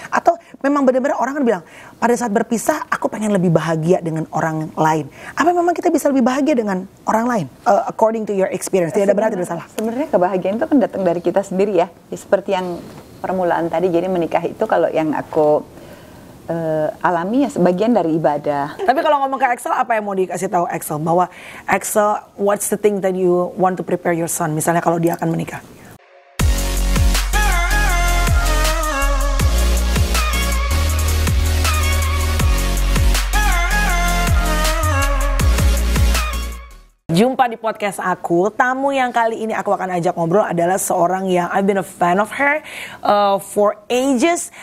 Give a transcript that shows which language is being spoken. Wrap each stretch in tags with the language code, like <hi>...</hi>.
<id>Atau memang benar-benar orang kan bilang, pada saat berpisah aku pengen lebih bahagia dengan orang lain. Apa memang kita bisa lebih bahagia dengan orang lain?</id> <en>According to your experience,</en> <id>tidak benar atau salah? Sebenarnya kebahagiaan itu kan datang dari kita sendiri ya. Ya seperti yang permulaan tadi, jadi menikah itu kalau yang aku alami ya sebagian dari ibadah. Tapi kalau ngomong ke Axel, apa yang mau dikasih tahu Axel? Bahwa</id> <en>Axel, what's the thing that you want to prepare your son?</en> <id>Misalnya kalau dia akan menikah. Jumpa di podcast aku, tamu yang kali ini aku akan ajak ngobrol adalah seorang yang</id> <en>I've been a fan of her for ages.</en>